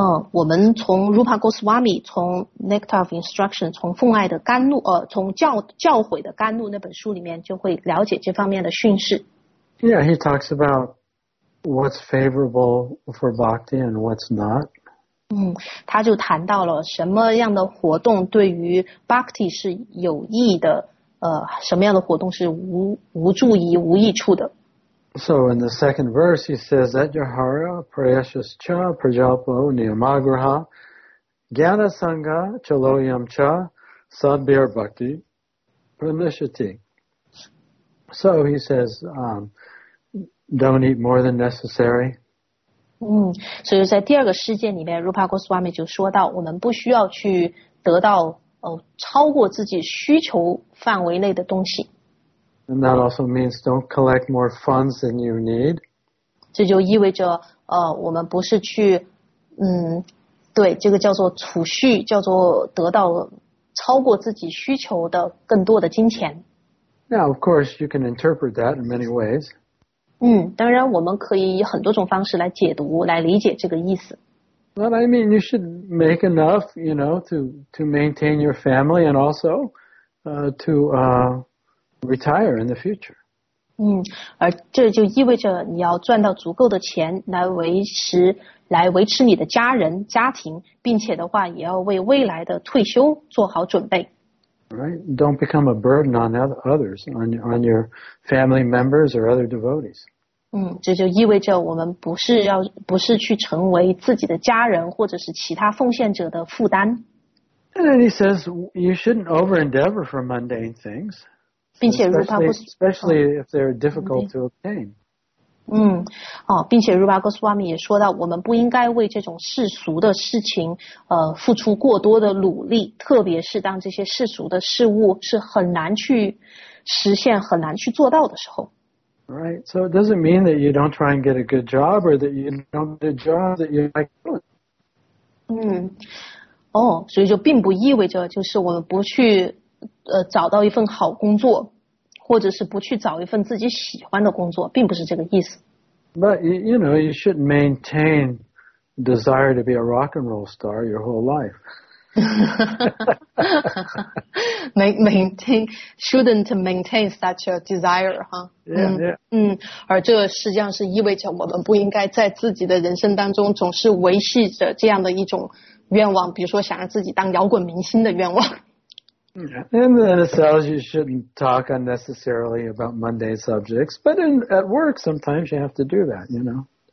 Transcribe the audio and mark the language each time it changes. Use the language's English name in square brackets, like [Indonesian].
[Chinese] 我们从 Rupa Goswami, 从 nectar of instruction, 从奉爱的甘露,从教诲的甘露那本书里面就会了解这方面的训示。 [English] Yeah, he talks about what's favorable for bhakti and what's not. [Chinese] 他就谈到了什么样的活动对于 Bhakti 是有益的，什么样的活动是无助于无益处的。 [English] So in the second verse, he says, [Sanskrit] Ajahara, Prayashascha, Prajapo, Niyamagraha, Gyana Sangha, Chaloyamcha, Sadbir Bhakti, Pramishati. [English] So he says, don't eat more than necessary. [Chinese] 所以在第二个事件里面 Rupa Goswami 就说到我们不需要去得到超过自己需求范围内的东西。 [English] And that also means don't collect more funds than you need. [Chinese] 这就意味着我们不是去对这个叫做储蓄，叫做得到超过自己需求的更多的金钱。 [English] Now, of course, you can interpret that in many ways. [Chinese] 当然我们可以以很多种方式来解读，来理解这个意思。 [English] Well, I mean, you should make enough, you know, to maintain your family and also to retire in the future. [Chinese] 而这就意味着你要赚到足够的钱来维持你的家人、家庭，并且的话也要为未来的退休做好准备。 [English] Right? Don't become a burden on others, on your family members or other devotees. [Chinese] 这就意味着我们不是去成为自己的家人或者是其他奉献者的负担。 [English] And then he says you shouldn't over-endeavor for mundane things. [Chinese] 并且如果他不 [English] especially if they're difficult to obtain. [Chinese] 并且 Rupa Goswami 也说到，我们不应该为这种世俗的事情付出过多的努力，特别是当这些世俗的事物是很难去实现、很难去做到的时候。 [English] Right, so it doesn't mean that you don't try and get a good job or that you don't get a job that you like doing. [Chinese] 所以就并不意味着就是我们不去找到一份好工作，或者是不去找一份自己喜欢的工作，并不是这个意思。 [English] But you know, you shouldn't maintain desire to be a rock and roll star your whole life. shouldn't maintain such a desire, huh? Yeah. [Chinese] 而这实际上是意味着我们不应该在自己的人生当中总是维系着这样的一种愿望，比如说想让自己当摇滚明星的愿望。 [English] And then it says you shouldn't talk unnecessarily about mundane subjects, but at work sometimes you have to do that, you know.